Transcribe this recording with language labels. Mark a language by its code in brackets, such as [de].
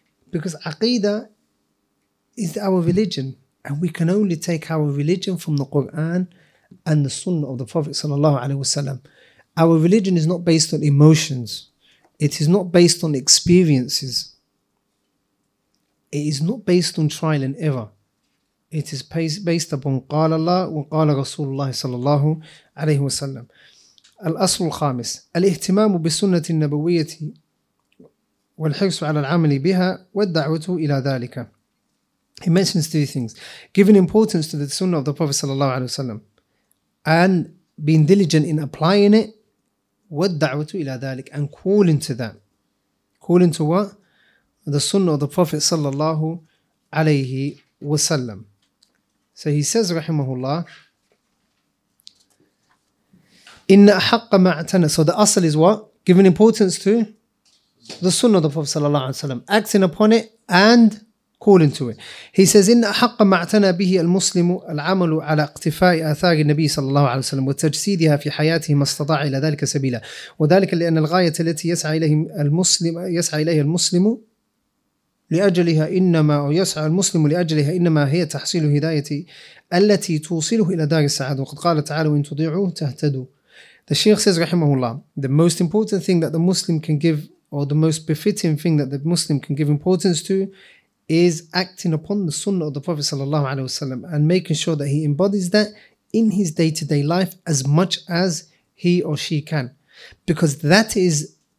[en] Because Aqeedah is our religion. And we can only take our religion from the Quran and the Sunnah of the Prophet sallallahu alaihi wasallam. Our religion is not based on emotions. It is not based on experiences. It is not based on trial and error. It is based upon [ar] قال الله وقال رسول الله صلى الله عليه وسلم. الأصل الخامس الاهتمام بالسنة النبوية والحرص على العمل بها والدعوة إلى ذلك. [en] He mentions three things: giving importance to the Sunnah of the Prophet صلى الله عليه وسلم and being diligent in applying it [ar] والدعوة إلى ذلك [en] and calling to that. Calling to what? The Sunnah of the Prophet صلى الله عليه وسلم. So he says, rahimahullah, [ar] إِنَّ أَحَقَّ مَا اعتنى. [en] So the asal is what? Giving importance to the sunnah of the Prophet صلى الله عليه وسلم. Acting upon it and calling to it. He says, [ar] إِنَّ أَحَقَّ مَا اعتنى بِهِ الْمُسْلِمُ الْعَمَلُ عَلَى اقْتِفَاءِ آثَارِ النَّبِي صلى الله عليه وسلم وَتَجْسِيدِهَا فِي حَيَاتِهِ مَا اسْتَطَاعَ إِلَى ذَلِكَ سَبِيلًا. وَذَلِكَ لِأَنَّ الْغَايَةَ الَّتِي يَسْعَى إِلَيْهَا الْمُسْلِمُ لأجلها إنما يسعى المسلم لأجلها إنما هي تحصيل هداية التي توصله إلى دار السعادة. وقد قال تعالى وإن تضيعوه تهتدوا. [en] The Shaykh says رحمه الله, the most important thing that the Muslim can give, or the most befitting thing that the Muslim can give importance to, is acting upon the Sunnah of the Prophet صلى الله عليه وسلم and making sure that he embodies that in his day-to-day life as much as he or she can, because that is